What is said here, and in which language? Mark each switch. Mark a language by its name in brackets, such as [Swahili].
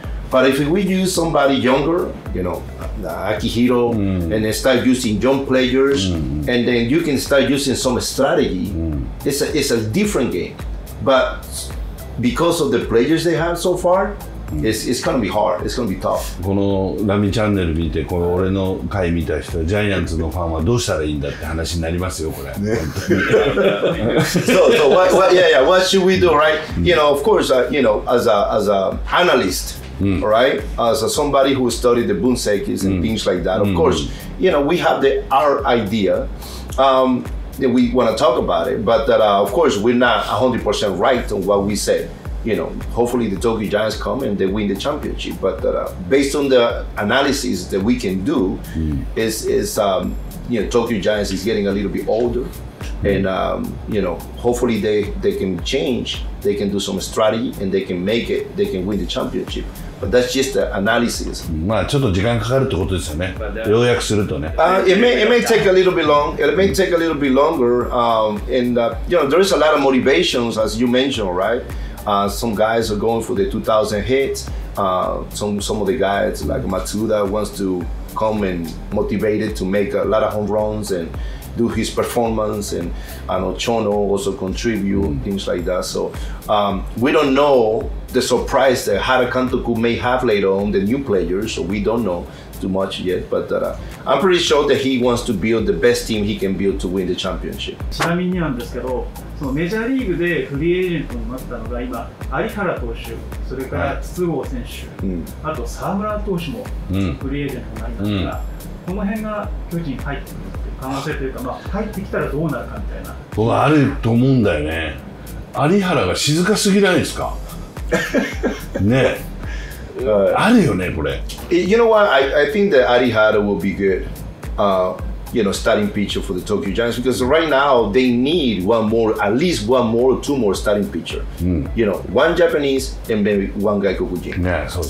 [English] But if we use somebody younger, you know, Akihiro, and then start using young players, and then you can start using some strategy, it's a different game. But because of the players they have so far, it's going to be hard. It's going to be tough. [Japanese] このラミチャンネル見て、この俺の回見た人、ジャイアンツのファンはどうしたらいいんだって話になりますよ、これ。ね、 [English] so what should we do, right? You know, of course, you know, as a analyst, right? As somebody who studied the Bunseikis and things like that, of course, you know, we have our idea. We want to talk about it, but that, of course, we're not 100% right on what we said. You know, hopefully the Tokyo Giants come and they win the championship. But based on the analysis that we can do, you know, Tokyo Giants is getting a little bit older. And, you know, hopefully they can change, they can do some strategy, and they can make it, they can win the championship. But that's just the analysis. [Japanese] まあちょっと時間かかるってことですよね。要約するとね。 [English] It may take a little bit long. It may take a little bit longer. You know, there is a lot of motivations, as you mentioned, right? Some guys are going for the 2,000 hits. Some of the guys, like Matsuda, wants to come and motivated to make a lot of home runs and do his performance. And I know Chono also contribute, things like that. So we don't know the surprise that Hatake Kantoku may have later on, the new players. So we don't know too much yet. But I'm pretty sure that he wants to build the best team he can build to win the championship. [Japanese] ちなみになんですけど、そのメジャーリーグでフリーエージェントになったのが今、有原投手、それから筒香選手、あと沢村投手もフリーエージェントになりましたが、この辺が巨人入ってくるっていう可能性というか、まあ、入ってきたらどうなるかみたいな。僕はあると思うんだよね。有原が静かすぎないですか。ねえ。あるよね、これ。 [English] You know what? I think that Arihara will be good, you know, starting pitcher for the Tokyo Giants because right now they need at least one more starting pitcher. You know, one Japanese and maybe one guy Kokujin. Yeah, so